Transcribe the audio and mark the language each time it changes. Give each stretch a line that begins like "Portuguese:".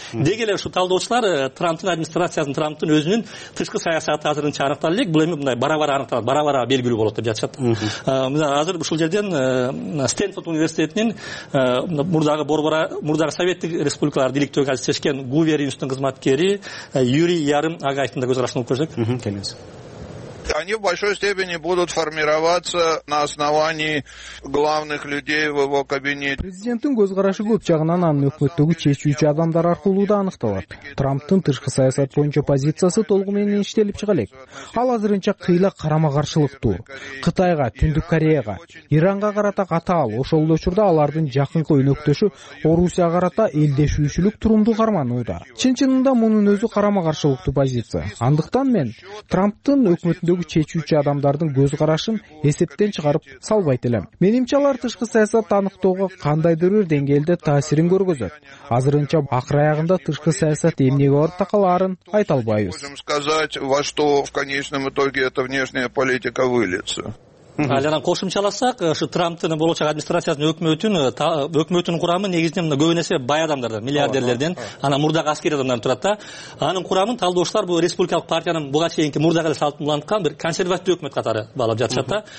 Kyrgyz: Деги эле ушул талдоочулар Трамптын администрациясын, Трамптын өзүнүн тышкы саясаты азырынча аныктала элек, бул эми мындай бара бара аныкталат, бара бара белгилүү болот деп жатышат. Мына азыр ушул жерден Стэнфорд университетинин мурдагы советтик республикаларды иликтөө кезешкен Гувер институтунун кызматкери Юрий Ярым Агайтын да көз карашын угуп көрсөк. Келиңиз.
Russian: они в большой степени будут формироваться на основании главных людей в его кабинете.
Kyrgyz: Президенттин көз карашы көп жагынан анын өкмөттөгү чечүүчү адамдар аркылуу да аныкталат. Трамптын тышкы саясат боюнча позициясы толугу менен иштелип чыга элек. Ал азырынча кыйла карама-каршылыктуу. Кытайга, Түндүк Кореяга, Иранга карата катаал, ошол эле учурда алардын жакынкы өнөктөшү Орусияга карата элдешүүчүлүк турумду карманууда. Чын чынында мунун өзү карама-каршылыктуу позиция. Андыктан мен Трамптын өкмөтүндөгү чечүүчү адамдардын көз карашын эсептен чыгарып салбайт элем. Менимче алар тышкы саясат аныктоого кандайдыр бир деңгээлде таасирин көргөзөт. Азырынча акыр аягында тышкы саясат эмнеге барып такаларын айта албайбыз.
Russian: Во что в конечном итоге эта внешняя политика выльется.
Kyrgyz: Жана кошумчаласак, ушу Трамптын болочок администрациясынын өкмөтүнүн курамы негизинен көп эсе бай адамдардан, миллиардерлерден, анан мурдагы аскерий адамдардан турат да. Анын курамын талдоочулар бул республикалык партиянын буга чейинки мурдагы эле салтын уланткан бир консервативдүү өкмөт катары баалап жатышат да.